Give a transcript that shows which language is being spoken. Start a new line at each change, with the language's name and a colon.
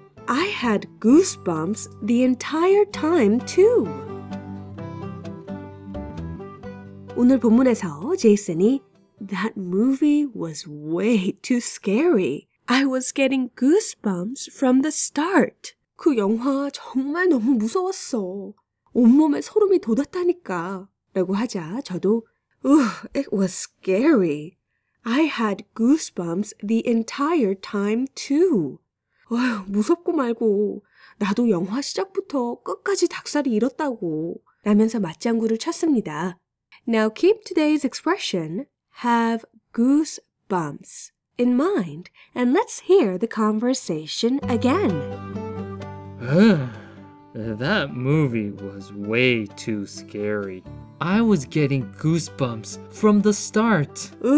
English: I had goosebumps the entire time too.
Korean: 오늘 본문에서 제이슨이
English: That movie was way too scary. I was getting goosebumps from the start.
Korean: 그 영화 정말 너무 무서웠어. 온몸에 소름이 돋았다니까. 라고 하자 저도
English: It was scary. I had goosebumps the entire time too.
Korean: 무섭고 말고 나도 영화 시작부터 끝까지 닭살이 잃었다고 라면서 맞장구를 쳤습니다.
English: Now keep today's expression. Have goosebumps in mind, and let's hear the conversation again. That movie was way too scary. I was getting goosebumps from the start.